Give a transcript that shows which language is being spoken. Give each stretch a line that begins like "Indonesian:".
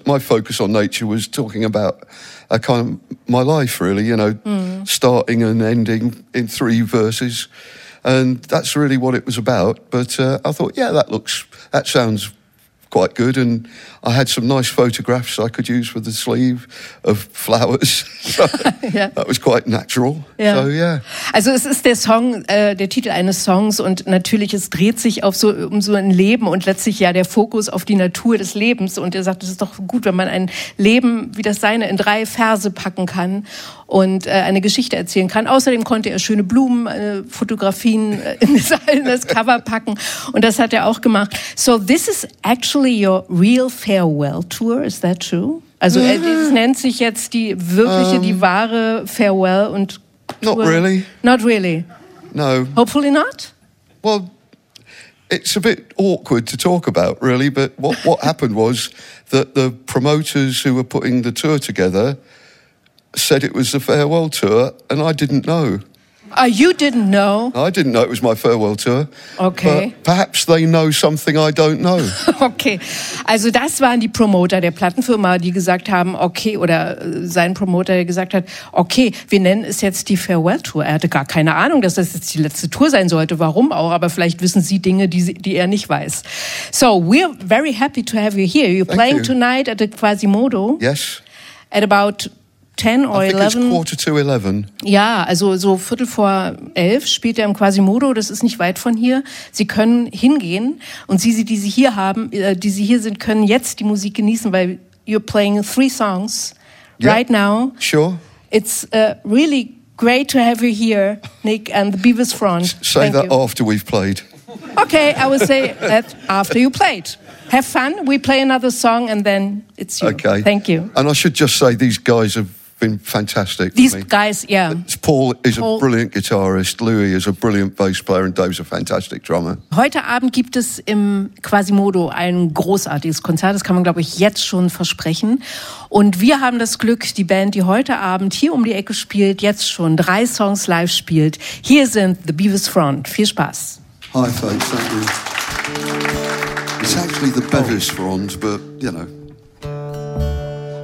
English: My focus on nature was talking about a kind of my life, really, you know, starting and ending in three verses. And that's really what it was about. But I thought, yeah, that sounds quite good, and I had some nice photographs I could use for the sleeve of flowers. That was quite natural. Yeah. So yeah.
German: Also es ist der Song, der Titel eines Songs, und natürlich es dreht sich auf so um so ein Leben und letztlich ja der Fokus auf die Natur des Lebens. Und er sagt, es ist doch gut, wenn man ein Leben wie das seine in drei Verse packen kann und eine Geschichte erzählen kann. Außerdem konnte er schöne Blumen, Fotografien in das Cover packen, und das hat er auch gemacht.
English: So this is actually your real farewell tour, is that true?
German: Also es nennt sich jetzt die wirkliche, die wahre Farewell und Tour.
English: Not really. Not really. No. Hopefully not. Well, it's a bit awkward to talk about, really, but what happened was that the promoters who were putting the tour together said it was a farewell tour, and I didn't know. You didn't know? I didn't know it was my farewell tour. Okay. But perhaps they know something I don't know. Okay.
German: Also das waren die Promoter der Plattenfirma, die gesagt haben, okay, oder sein Promoter, der gesagt hat, okay, wir nennen es jetzt die Farewell Tour. Er hatte gar keine Ahnung, dass das jetzt die letzte Tour sein sollte. Warum auch? Aber vielleicht wissen Sie Dinge, die er nicht weiß.
English: So, we're very happy to have you here. You're Thank playing you. Tonight at the Quasimodo. Yes. at about 10 or 11. I think it's quarter to 11.
German: Ja, also so viertel vor elf spielt er im Quasimodo. Das ist nicht weit von hier. Sie können hingehen und Sie, die Sie hier haben, die Sie hier sind, können jetzt die Musik genießen, weil
English: you're playing three songs right now. Sure. It's really great to have you here, Nick, and the Beavis Front. Say that after we've played. Okay, I will say that after you played. Have fun. We play another song and then it's you. Okay. Thank you. And I should just say these guys have been fantastic. These guys, yeah. Paul is a brilliant guitarist. Louis is a brilliant bass player and Dave's a fantastic drummer.
German: Heute Abend gibt es im Quasimodo ein großartiges Konzert. Das kann man, glaube ich, jetzt schon versprechen. Und wir haben das Glück, die Band, die heute Abend hier um die Ecke spielt, jetzt schon drei Songs live spielt. Hier sind The Beavis Front. Viel Spaß.
English: Hi, folks. Thank you. It's actually the Beavis Front, but, you know.